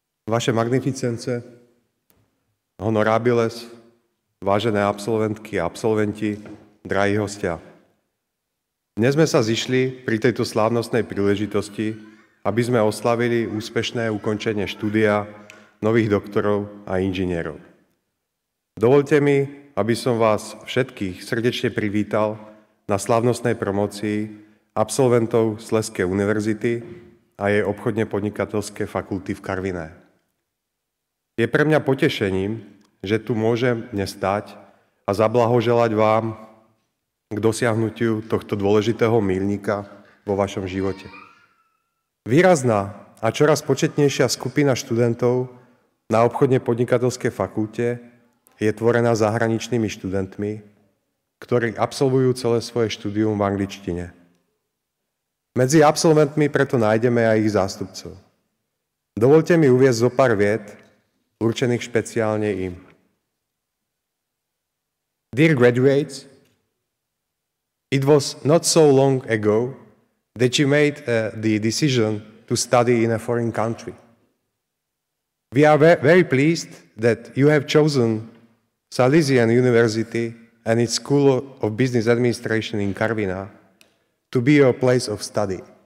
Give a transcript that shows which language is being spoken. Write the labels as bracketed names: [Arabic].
[Slovak] Vaše magnificence, honorabiles, vážené absolventky a absolventi, drahí hostia. [Czech] Dnes jsme se zišli při této slavnostné příležitosti, aby jsme oslavili úspěšné ukončení studia nových doktorů a inženýrů. [Slovak] Dovolte mi, aby som vás všetkých srdečne privítal na slávnostnej promocii absolventov Slezskej univerzity a jej obchodne podnikateľské fakulty v Karviné. Je pre mňa potešením, že tu môžem dnes stať a zablahoželať vám k dosiahnutiu tohto dôležitého míľnika vo vašom živote. Výrazná a čoraz početnejšia skupina študentov na obchodne podnikateľské fakulte je tvorená zahraničnými študentmi, ktorí absolvujú celé svoje štúdium v angličtine. Medzi absolventmi preto nájdeme aj ich zástupcov. Dovolte mi uviesť zo pár viet, určených špeciálne im. [English] Dear graduates, it was not so long ago that you made the decision to study in a foreign country. We are very pleased that you have chosen Salesian University and its School of Business Administration in Karviná to be your place of study.